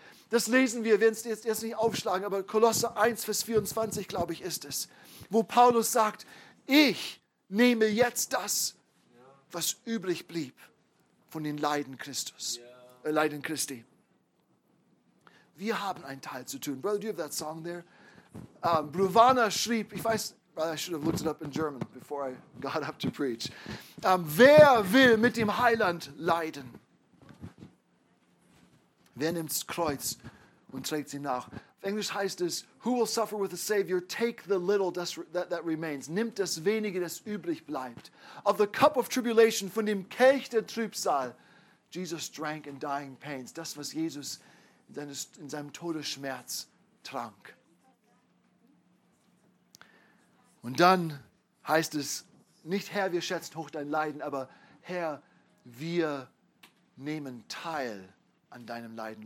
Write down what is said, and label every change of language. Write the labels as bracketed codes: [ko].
[de] Das lesen wir, werden es jetzt erst nicht aufschlagen, aber Kolosser 1, Vers 24, glaube ich, ist es, wo Paulus sagt, ich nehme jetzt das, was übrig blieb von den Leiden Christus, Leiden Christi. Wir haben einen Teil zu tun. [en] Brother, do you have that song there? Bruvana schrieb, I should have looked it up in German before I got up to preach. [de] Wer will mit dem Heiland leiden? Wer nimmt das Kreuz und trägt sie nach? Auf Englisch heißt es, [en] who will suffer with the Savior? Take the little that remains. [de] Nimmt das wenige, das übrig bleibt. [en] Of the cup of tribulation, [de] von dem Kelch der Trübsal, [en] Jesus drank in dying pains. [de] Das, was Jesus in seinem Todesschmerz trank. Und dann heißt es, nicht Herr, wir schätzen hoch dein Leiden, aber Herr, wir nehmen teil an deinem Leiden.